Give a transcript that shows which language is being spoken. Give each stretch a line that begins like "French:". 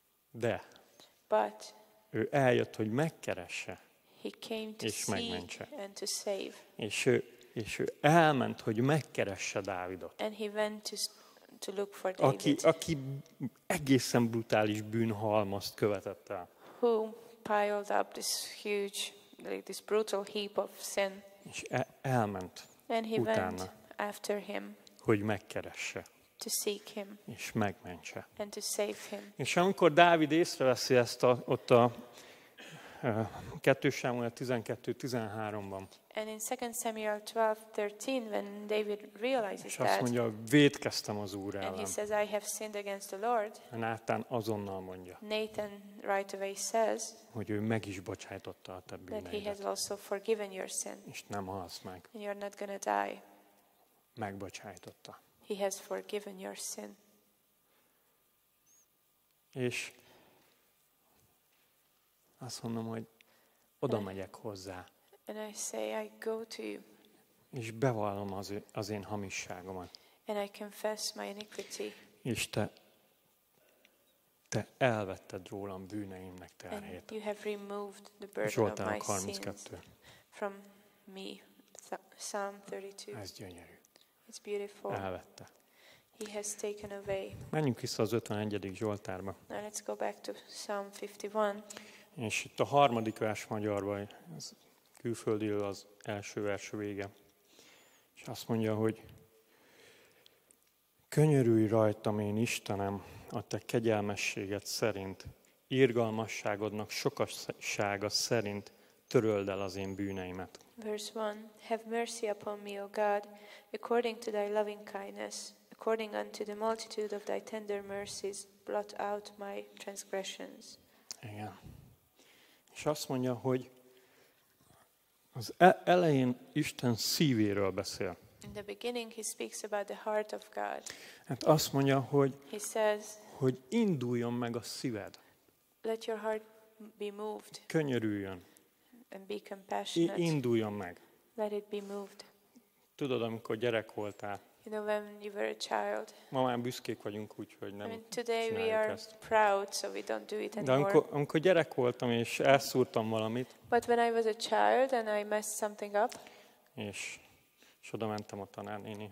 Hungarian: De.
English: But.
Hungarian: Ő eljött, hogy megkeresse.
English: He came to see and to save.
Hungarian: És ő elment, hogy megkeresse Dávidot.
English: And he went to look for David.
Hungarian: Aki egészen brutális bűnhalmazt követett el.
English: Who piled up this huge, like this brutal heap of sin.
Hungarian: És elment
English: and he
Hungarian: utána,
English: went after him.
Hungarian: Hogy megkeresse.
English: To seek him.
Hungarian: És megmentse.
English: And to save him.
Hungarian: És amikor Dávid észreveszi ezt ott a 2 Sámuel 12-13-ban.
English: And in 2 Samuel 12:13 when David realizes that.
Hungarian: És azt mondja, vétkeztem az Úr ellen.
English: And he says I have sinned against the Lord.
Hungarian: Nátán azonnal mondja.
English: Nathan right away says.
Hungarian: Hogy ő meg is bocsájtotta a te bűneidet.
English: That he has also forgiven your sin.
Hungarian: És nem halsz meg.
English: And you're not gonna die.
Hungarian: Megbocsájtotta.
English: He has forgiven your sin.
Hungarian: És azt mondom, hogy oda megyek hozzá.
English: And I say I go to you.
Hungarian: És bevallom az én hamisságomat.
English: And I confess my iniquity.
Hungarian: És te elvetted rólam bűneimnek terhét.
English: And you have removed the burden of my sins from me. Psalm 32.
Hungarian: Ez gyönyörű.
English: It's beautiful.
Hungarian: Elvette.
English: He has taken away.
Hungarian: Menjünk vissza az 51. Zsoltárba.
English: Now let's go back to Psalm 51.
Hungarian: És itt a harmadik vers magyarban, ez külföldiről az első vers vége. És azt mondja, hogy könyörülj rajtam, én Istenem, a te kegyelmességed szerint, irgalmasságodnak sokassága szerint töröld el az én bűneimet.
English: Verse 1. Have mercy upon me, O God, according to thy loving kindness, according unto the multitude of thy tender mercies, blot out my transgressions.
Hungarian: Igen. És azt mondja, hogy az elején Isten szívéről beszél.
English: In the beginning he speaks about the heart of God.
Hungarian: Hát azt mondja, hogy
English: he says,
Hungarian: hogy induljon meg a szíved.
English: Let your heart be moved.
Hungarian: Könyörüljön.
English: And be compassionate.
Hungarian: Induljon meg.
English: Let it be moved.
Hungarian: Tudod, amikor gyerek voltál.
English: You know, when you were a child.
Hungarian: Ma már büszkék vagyunk, úgyhogy nem.
English: I mean, today we are
Hungarian: ezt.
English: Proud, so we don't do it anymore.
Hungarian: De amikor gyerek voltam és elszúrtam valamit.
English: But when I was a child and I messed something up.
Hungarian: És oda mentem a tanárnéni.